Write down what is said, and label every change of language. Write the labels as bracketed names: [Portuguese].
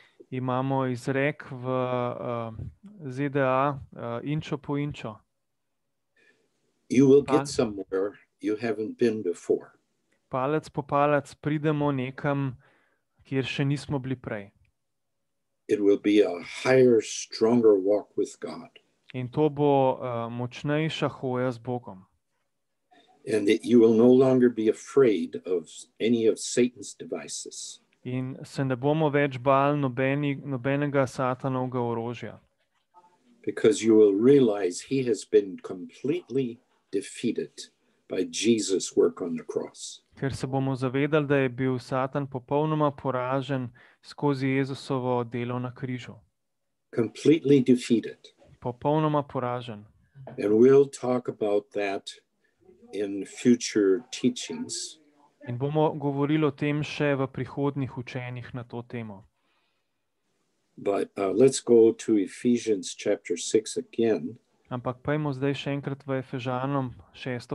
[Slovenian] Imamo izrek v ZDA, inčo po inčo. [English] You will get somewhere you haven't been before. [Slovenian] Palec po palec pridemo nekam, kjer še nismo bili prej. [English] It will be a higher, stronger walk with God. [Slovenian] In to bo močnejša hoja z Bogom. [English] And that you will no longer be afraid of any of Satan's devices. [Slovenian] In se ne bomo več bal nobenega satanovega orožja. [English] Because you will realize he has been completely defeated by Jesus' work on the cross. [Slovenian] Ker se bomo zavedali, da je bil Satan popolnoma poražen skozi Jezusovo delo na križu. [English] Completely defeated. [Slovenian] Popolnoma poražen. [English] And we'll talk about that in future teachings. [Slovenian] In bomo govorili o tem še v prihodnih učenjih na to temo. [English] But let's go to Ephesians chapter 6 again. [Slovenian] Ampak pojmo zdaj še enkrat v Efežanom 6.